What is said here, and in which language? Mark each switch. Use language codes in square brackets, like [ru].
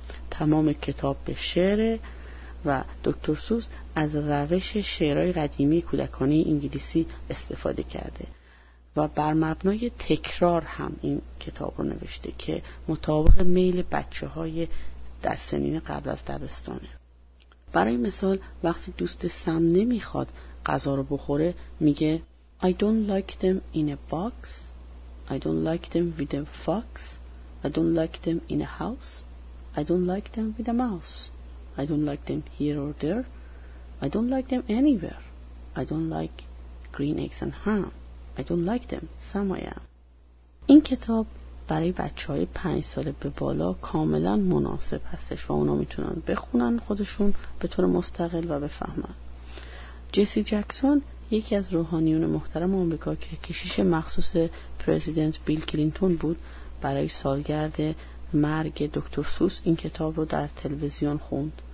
[fa] تمام کتاب به شعره و دکتر سوز از روش شعرهای قدیمی کودکانه انگلیسی استفاده کرده و بر مبنای تکرار هم این کتاب رو نوشته که مطابق میل بچه های در سنین قبل از دبستانه. برای مثال وقتی دوست سم نمیخواد غذا رو بخوره میگه [en] I don't like them in a box, I don't like them with a fox, I don't like them in a house, I don't like them with a mouse, I don't like them here or there, I don't like them anywhere, I don't like green eggs and ham, I don't like them somewhere. [fa] این کتاب برای بچه های 5 ساله به بالا کاملا مناسب هستش و اونا میتونن بخونن خودشون به طور مستقل و بفهمن. جسی جکسون یکی از روحانیون محترم آمریکا که کشیش مخصوص پرزیدنت بیل کلینتون بود برای سالگرد مرگ دکتر سوس این کتاب رو در تلویزیون خوند.